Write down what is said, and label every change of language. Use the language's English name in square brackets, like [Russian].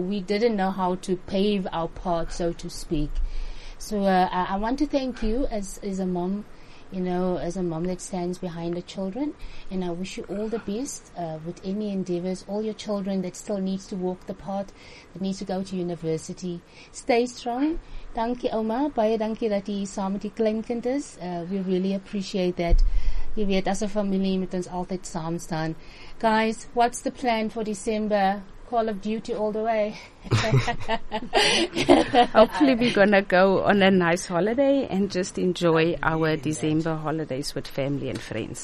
[English] We didn't know how to pave our path, so to speak. So I want to thank you as a mom you know, as a mom that stands behind the children. And I wish you all the best with any endeavors. All your children that still needs to walk the path, that needs to go to university. Stay strong. [Afrikaans] Dankie, [English] Oma. [Afrikaans] Baie dankie dat jy saam met die kleinkinders. [English] We really appreciate that. [Afrikaans] Jy weet, [English] as a family, [Afrikaans] met ons altijd saam staan. [English] Guys, what's the plan for December? Call of Duty all the way. Hopefully we're going to go on a nice holiday and just enjoy our December holidays with family and friends.